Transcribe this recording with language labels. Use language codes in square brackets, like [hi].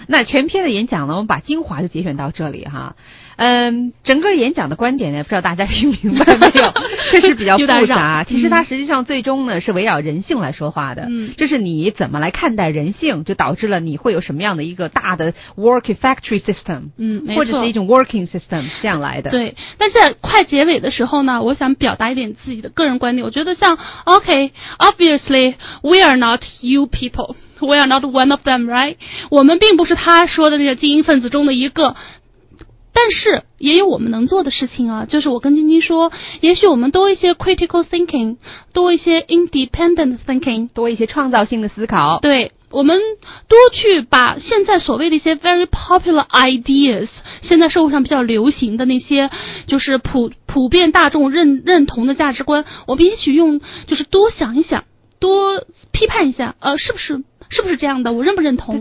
[zh] 那全篇的演讲呢，我们把精华就节选到这里哈。嗯，整个演讲的观点呢，不知道大家听明白没有？确实比较复杂。其实它实际上最终呢、嗯、是围绕人性来说话的。嗯，就是你怎么来看待人性，就导致了你会有什么样的一个大的 [en] working factory system。 [zh] 嗯，没错，或者是一种 [en] working system [zh] 这样来的。对，但在快结尾的时候呢，我想表达一点自己的个人观点。我觉得像 [en] OK, obviously we are not you people, we are not one of them, right? [zh] 我们并不是他说的那个精英分子中的一个。但是也有我们能做的事情啊，就是我跟晶晶说，也许我们多一些 [en] critical thinking, [zh] 多一些 [en] independent thinking, [zh] 多一些创造性的思考。对，我们多去把现在所谓的一些 [en] very popular ideas, [zh] 现在社会上比较流行的那些就是普遍大众认同的价值观，我们也许用就是多想一想，多批判一下，是不是这样的？我认不认同？